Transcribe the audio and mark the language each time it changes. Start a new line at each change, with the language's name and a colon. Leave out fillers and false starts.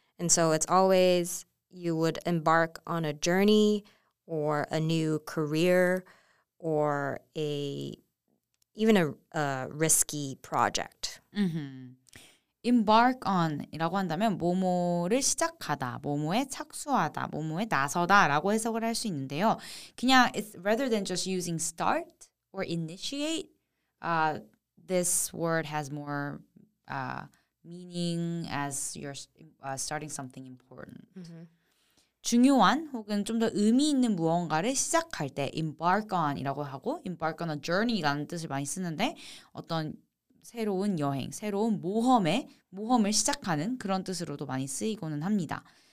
English: And so it's always you would embark on a journey or a new career or even a risky project. Mm-hmm.
Korean: Embark on이라고 한다면 뭐뭐를 시작하다, 뭐뭐에 착수하다, 뭐뭐에 나서다라고 해석을 할 수 있는데요. 그냥
English: it's rather than just using start or initiate, this word has more meaning as you're starting something important. Mm-hmm.
Korean: 중요한 혹은 좀 더 의미 있는 무언가를 시작할 때 embark on이라고 하고 embark on a journey라는 뜻을 많이 쓰는데 어떤 새로운 여행, 새로운 모험을 시작하는 그런 뜻으로도 많이 쓰이고는 합니다.